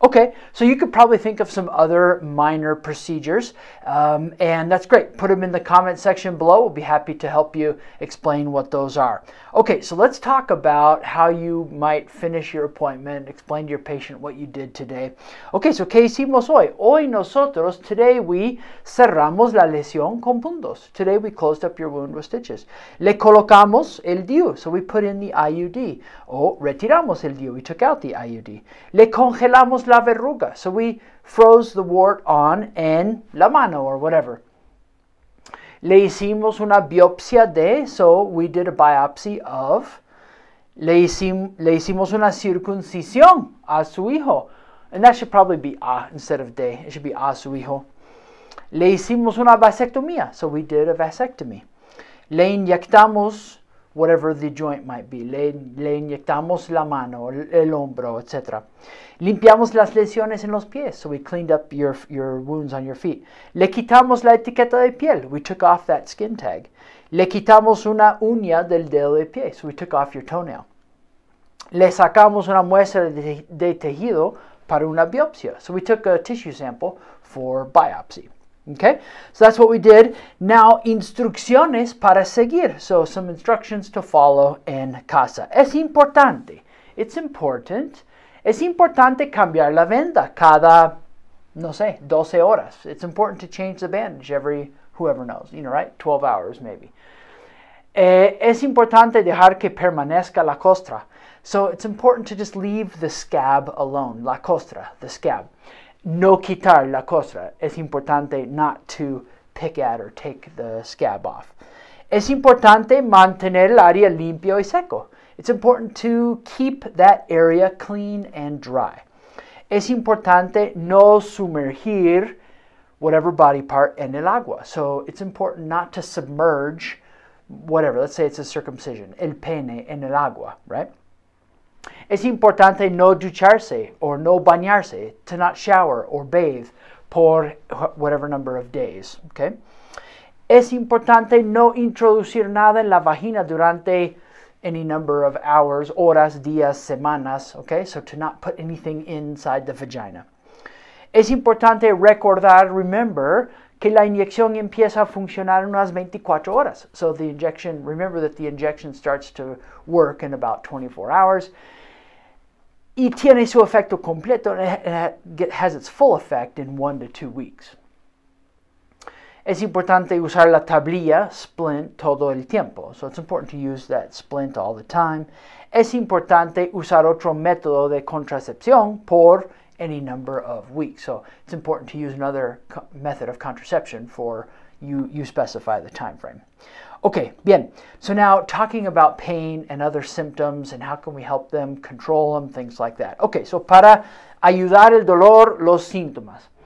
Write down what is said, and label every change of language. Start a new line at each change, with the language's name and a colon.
English: Okay, so you could probably think of some other minor procedures, and that's great. Put them in the comment section below. We'll be happy to help you explain what those are. Okay, so let's talk about how you might finish your appointment, explain to your patient what you did today. Okay, so
Spanish: ¿qué hicimos hoy? Hoy nosotros,
English: today we
Spanish: cerramos la lesión con puntos.
English: Today we closed up your wound with stitches.
Spanish: Le colocamos el DIU.
English: So we put in the IUD.
Spanish: O retiramos el DIU.
English: We took out the IUD.
Spanish: Le congelamos la verruga.
English: So we froze the wart on
Spanish: en la mano
English: or whatever.
Spanish: Le hicimos una biopsia de.
English: So we did a biopsy of.
Spanish: Le hicimos una circuncisión a su hijo.
English: And that should probably be a instead of de. It should be
Spanish: a su hijo. Le hicimos una vasectomía.
English: So we did a vasectomy.
Spanish: Le inyectamos
English: whatever the joint might be.
Spanish: Le inyectamos la mano, el hombro, etc. Limpiamos las lesiones en los pies.
English: So we cleaned up your wounds on your feet.
Spanish: Le quitamos la etiqueta de piel.
English: We took off that skin tag.
Spanish: Le quitamos una uña del dedo de pie.
English: So we took off your toenail.
Spanish: Le sacamos una muestra de tejido para una biopsia.
English: So we took a tissue sample for biopsy. Okay, so that's what we did. Now,
Spanish: instrucciones para seguir.
English: So, some instructions to follow
Spanish: en casa. Es importante.
English: It's important.
Spanish: Es importante cambiar la venda cada, no sé, 12 horas.
English: It's important to change the bandage every, whoever knows, you know, right? 12 hours, maybe.
Spanish: Es importante dejar que permanezca la costra.
English: So, it's important to just leave the scab alone. La costra, the scab.
Spanish: No quitar la costra. Es importante
English: not to pick at or take the scab off.
Spanish: Es importante mantener el área limpio y seco.
English: It's important to keep that area clean and dry.
Spanish: Es importante no sumergir
English: whatever body part
Spanish: en el agua.
English: So it's important not to submerge whatever. Let's say it's a circumcision.
Spanish: El pene en el agua,
English: right?
Spanish: Es importante no ducharse
English: or
Spanish: no bañarse,
English: to not shower or bathe por whatever number of days, okay?
Spanish: Es importante no introducir nada en la vagina durante
English: any number of hours,
Spanish: horas, días, semanas, okay?
English: So to not put anything inside the vagina.
Spanish: Es importante remember que la inyección empieza a funcionar en unas 24 horas.
English: So the injection, remember that the injection starts to work in about 24 hours.
Spanish: Y tiene su efecto completo,
English: and it has its full effect in 1 to 2 weeks.
Spanish: Es importante usar la tablilla splint todo el tiempo.
English: So it's important to use that splint all the time.
Spanish: Es importante usar otro método de contracepción por
English: any number of weeks. So it's important to use another method of contraception for you specify the time frame. Okay, bien. So now talking about pain and other symptoms and how can we help them control them, things like that.
Spanish: Okay, so para ayudar el dolor, los síntomas.